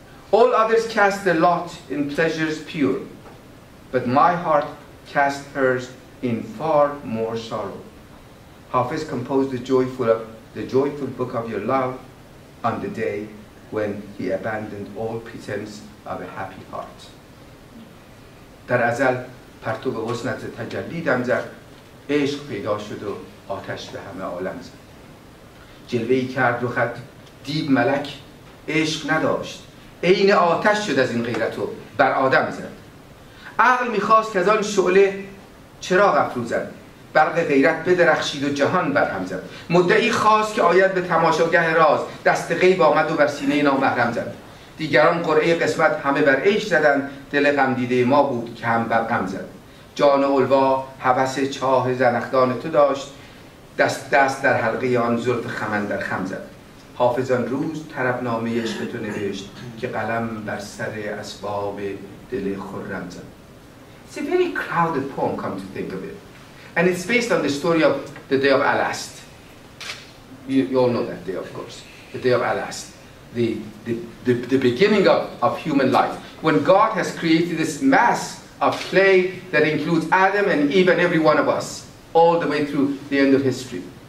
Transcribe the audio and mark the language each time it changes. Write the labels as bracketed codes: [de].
[en] All others cast their lot in pleasures pure, but my heart cast hers in far more sorrow. Hafez composed the joyful book of your love on the day when he abandoned all pretense of a happy heart. [fa] در ازل پرتو حسنت تجلی دم زد، عشق پیدا شد و آتش به همه عالم زد. جلوه‌ای کرد رو خط دید ملک عشق نداشت، عین آتش شد از این غیرت و بر آدم زد. عقل میخواست که از آن شعله چراغ افروزد، برق غیرت بدرخشید و جهان برهم زد. مدعی خواست که آید به تماشاگه راز، دست غیب آمد و بر سینه نامحرم زد. دیگران قرعه قسمت همه بر عیش زدند، دل غمدیده ما بود که هم بر غم زد. جان علوا هوس چاه زنخدان تو داشت، دست دست در حلقه آن زلف خمندر خم زد. حافظ آن روز طربنامه عشق تو نوشت، که قلم بر سر اسباب دل خرم زد. [en] It's a very crowded poem, come to think of it. And it's based on the story of the day of Alast. You all know that day, of course. The day of Alast. The beginning of human life. When God has created this mass of clay that includes Adam and Eve and every one of us, all the way through the end of history.